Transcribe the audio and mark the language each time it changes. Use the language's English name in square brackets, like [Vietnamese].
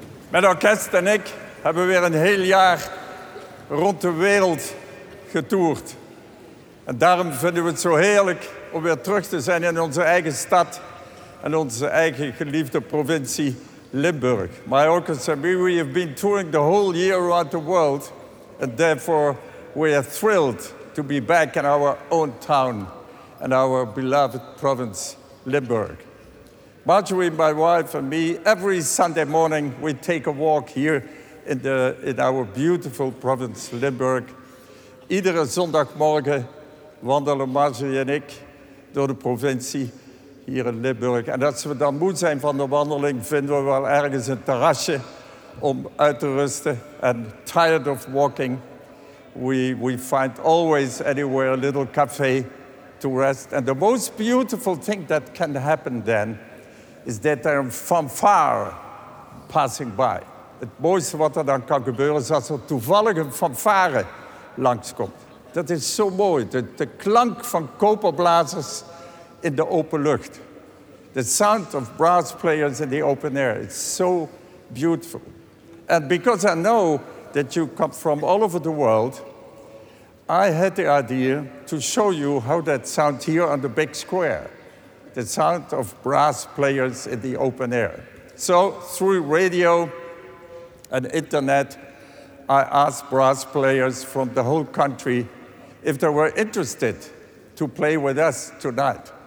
[Dutch] Met orkest en ik hebben we weer een heel jaar rond de wereld getoerd. En daarom vinden we het zo heerlijk om weer terug te zijn in onze eigen stad en onze eigen geliefde provincie Limburg. [English] My orchestra, we have been touring the whole year around the world, and therefore we are thrilled to be back in our own town and our beloved province Limburg. Marjorie, my wife, and me, every Sunday morning we take a walk here in our beautiful province Limburg. [Dutch] Iedere zondagmorgen wandelen Marjorie en ik door de provincie hier in Limburg. En als we dan moe zijn van de wandeling, vinden we wel ergens een terrasje om uit te rusten. [English] And tired of walking, we find always anywhere a little cafe to rest. And the most beautiful thing that can happen then is that there are fanfare passing by. [Dutch] Het mooiste wat er dan kan gebeuren is als er toevallig een fanfare langskomt. Dat is zo mooi. De klank van koperblazers in de open lucht. [English] The sound of brass players in the open air. It's so beautiful. And because I know that you come from all over the world, I had the idea to show you how that sounds here on the big square. The sound of brass players in the open air. So through radio and internet, I asked brass players from the whole country if they were interested to play with us tonight.